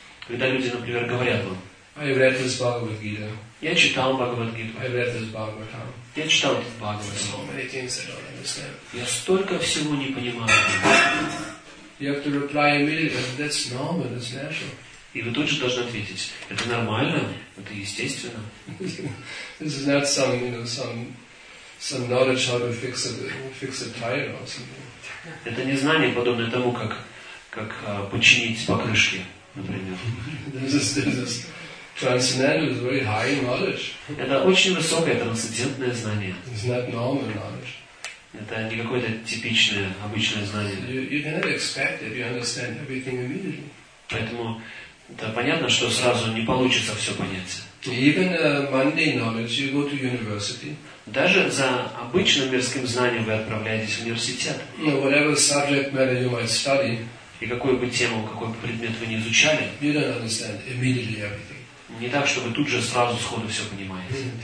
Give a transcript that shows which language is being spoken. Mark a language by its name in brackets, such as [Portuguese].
[Russian] Когда люди, например, говорят вам. [English] I read this Bhagavad Gita. [Russian] Я читал Бхагавад-гиту. [English] I read this Bhagavatam. [Russian] Я читал этот Бхагавад-гиту. [English] So many things I don't understand. [Russian] Я столько всего не понимаю. [English] You have to reply immediately. That's normal. That's natural. [Russian] И вы тут же должны ответить. Это нормально? Это естественно? [English] This is not some, you know, some knowledge how to fix a tire or something. [Russian] Это не знание, подобное тому, как починить покрышки, например. [English] This is transcendental is very high knowledge. [Russian] Это очень высокое трансцендентное знание. [English] It's not normal knowledge. [Russian] Это не какое-то типичное обычное знание. [English] You cannot expect that you understand everything immediately. [Russian] Поэтому это понятно, что сразу не получится все понять. [English] Even mundane knowledge, you go to university. [Russian] Даже за обычным мирским знанием вы отправляетесь в университет. [English] No, whatever subject matter you might study. [Russian] И какую бы тему, какой бы предмет вы ни изучали. [English] You don't understand immediately everything. [Russian] Не так, что вы тут же сразу сходу все понимаете.